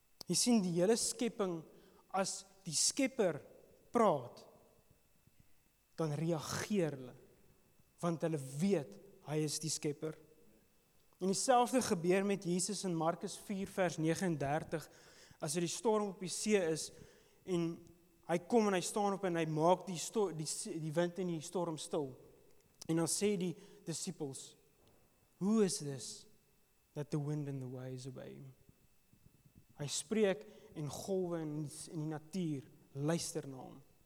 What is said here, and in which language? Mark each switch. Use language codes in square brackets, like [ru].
[af] Jy sien die hele skepping, as die skepper praat, dan reageer hulle, want hulle weet, hy is die skepper. En dieselfde gebeur met Jesus in Markus 4 vers 39, as hy die storm op die see is, en hy kom en hy staan op en hy maak die wind en die storm stil. En dan sê die disciples, [en] who is this that the wind and the waves obey him? [af] Hy spreek en golwe in die natuur, luister na hom.